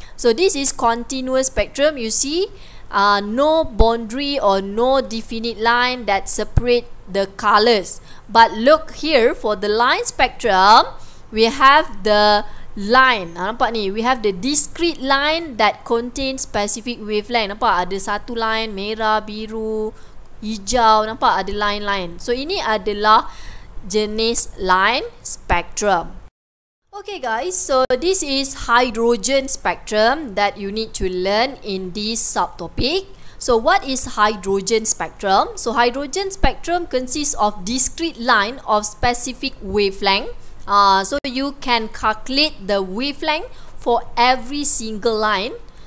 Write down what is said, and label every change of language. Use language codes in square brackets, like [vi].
[en] So this is continuous spectrum. You see, no boundary or no definite line that separate the colors. But look here, for the line spectrum, we have the line. [ms] Nampak ni? [en] We have the discrete line that contains specific wavelength. [ms] Nampak? Ada satu line, merah, biru, hijau. Nampak? Ada line-line. So, ini adalah jenis line spectrum. [en] Okay guys, so this is hydrogen spectrum that you need to learn in this subtopic. So, what is hydrogen spectrum? So, hydrogen spectrum consists of discrete line of specific wavelength. So you can calculate the wavelength for every single line.